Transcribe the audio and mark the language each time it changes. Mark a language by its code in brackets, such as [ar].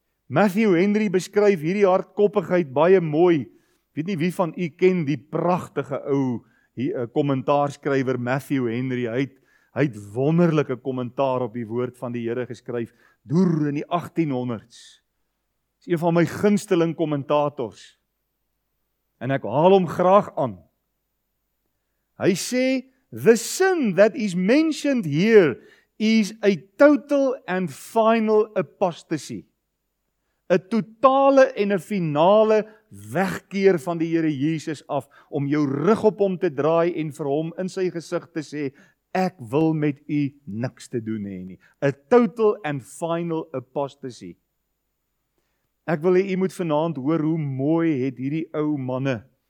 [af] Matthew Henry beskryf hierdie hardkoppigheid baie mooi. Weet nie wie van u ken die pragtige ou kommentaarskrywer Matthew Henry. Hy het wonderlike kommentaar op die woord van die Here geskryf deur in die 1800s. Is een van my gunsteling kommentators. En ek haal hom graag aan. Hy sê, [en] "The sin that is mentioned here is a total and final apostasy." [af] 'n totale en 'n finale wegkeer van die Here Jesus af, om jou rug op hom te draai en vir hom in sy gesig te sê, ek wil met u niks te doen hê nie. 'n [en] Total and final apostasy. [af] Ek wil hê u moet vanaand hoor hoe mooi het hierdie ou manne,